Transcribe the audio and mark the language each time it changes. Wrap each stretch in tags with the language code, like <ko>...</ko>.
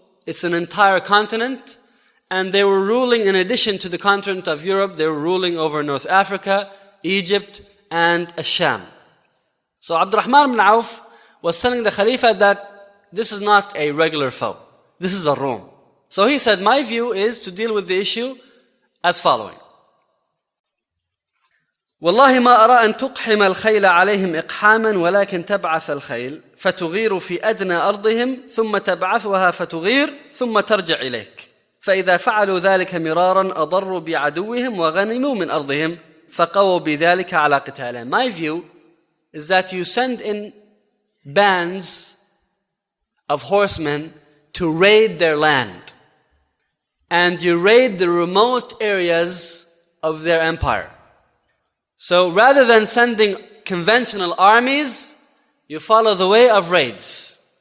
<en>It's an entire continent. And they were ruling, in addition to the continent of Europe, they were ruling over North Africa, Egypt, and Asham. So Abdurrahman ibn Auf was telling the Khalifa that this is not a regular foe. This is Ar-Rum. So he said, my view is to deal with the issue as following.</en> <ar>والله ما أرى أن تقحم الخيل عليهم إقحاما ولكن تبعث الخيل فتغير في أدنى أرضهم ثم تبعثها فتغير ثم ترجع إليك فإذا فعلوا ذلك مرارا أضروا بعدوهم وغنموا من أرضهم فقووا بذلك على قتالهم.</ar> <en>My view is that you send in bands of horsemen to raid their land and you raid the remote areas of their empire. So rather than sending conventional armies, you follow the way of raids.</en>